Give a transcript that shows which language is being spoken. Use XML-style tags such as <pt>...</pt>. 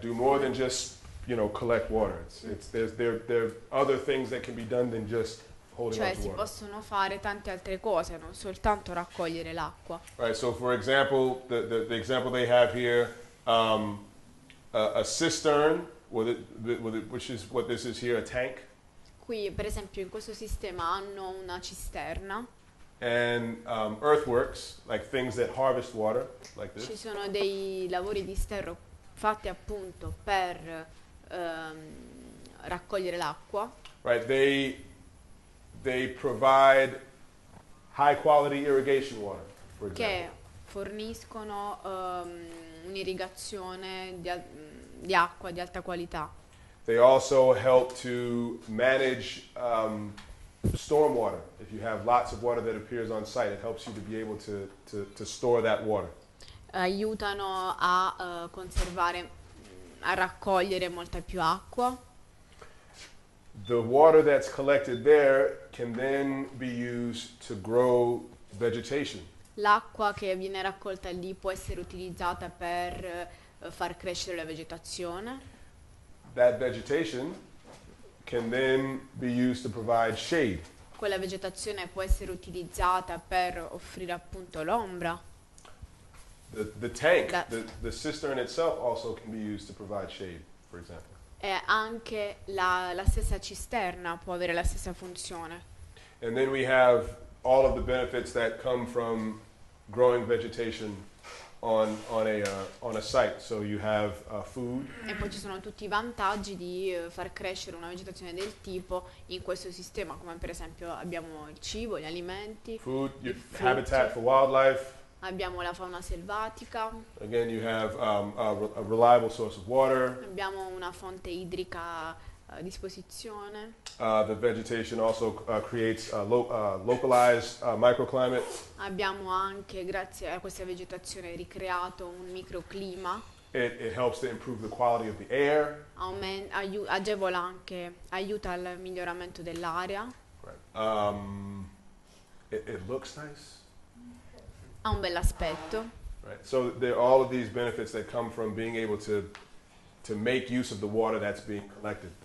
<en>Do more than just, you know, collect water. There are other things that can be done than just holding</en> <it>cioè,</it> <en>on to water.</en> <it>Cioè si possono fare tante altre cose, non soltanto raccogliere l'acqua.</it> <en>Right. So for example, the example they have here, a cistern, which is what this is here, a tank.</en> <it>Qui, per esempio, in questo sistema hanno una cisterna.</it> <en>And earthworks, like things that harvest water, like this.</en> <it>Ci sono dei lavori di sterro fatti appunto per raccogliere l'acqua.</it> <en>Right, they provide high quality irrigation water, for example.</en> <it>Che forniscono un'irrigazione di acqua di alta qualità.</it> <en>They also help to manage storm water. If you have lots of water that appears on site, it helps you to be able to store that water.</en> <it>Aiutano a conservare, a raccogliere molta più acqua.</it> <en>The water that's collected there can then be used to grow vegetation.</en> <it>L'acqua che viene raccolta lì può essere utilizzata per far crescere la vegetazione.</it> <en>That vegetation can then be used to provide shade.</en> <it>Quella vegetazione può essere utilizzata per offrire appunto l'ombra.</it> <en>The tank, the cistern itself also can be used to provide shade, for example.</en> <it>E anche la stessa cisterna può avere la stessa funzione.</it> <en>And then we have all of the benefits that come from growing vegetation on a site. So you have food.</en> <it>E poi ci sono tutti i vantaggi di far crescere una vegetazione del tipo in questo sistema, come per esempio abbiamo il cibo, gli alimenti,</it> <en>food, habitat for wildlife.</en> <it>Abbiamo la fauna selvatica.</it> <en>Again, you have a reliable source of water.</en> <it>Abbiamo una fonte idrica a disposizione.</it> <en>The vegetation also creates a localized microclimate.</en> <it>Abbiamo anche, grazie a questa vegetazione, ricreato un microclima.</it> <en>It helps to improve the quality of the air.</en> <it>Agevola anche, aiuta al miglioramento dell'aria.</it> <en>Right. It looks nice.</en> <it>Ha un bell'aspetto.</it> <en>Right. So there are all of these benefits that come from being able to make use of the water that's being collected.</en>